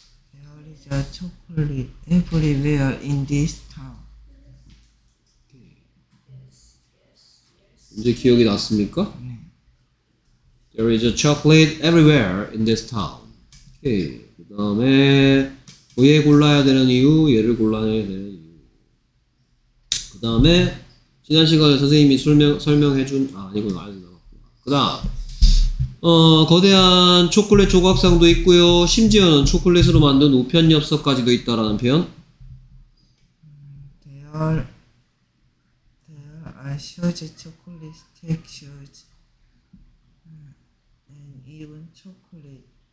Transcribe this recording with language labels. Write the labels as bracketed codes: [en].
[en] There is a chocolate everywhere in this town. [ko] 네. 이제 기억이 났습니까? 네. [en] There is a chocolate everywhere in this town. [ko] 오케이. 그 다음에 얘 골라야 되는 이유, 얘를 골라야 되는 이유. 그 다음에 지난 시간에 선생님이 설명해준 아 이건 아직 남았구나. 그 다음 거대한 초콜릿 조각상도 있고요. 심지어는 초콜릿으로 만든 우편 엽서까지도 있다라는 표현. [en] There are huge chocolate statues and even chocolate.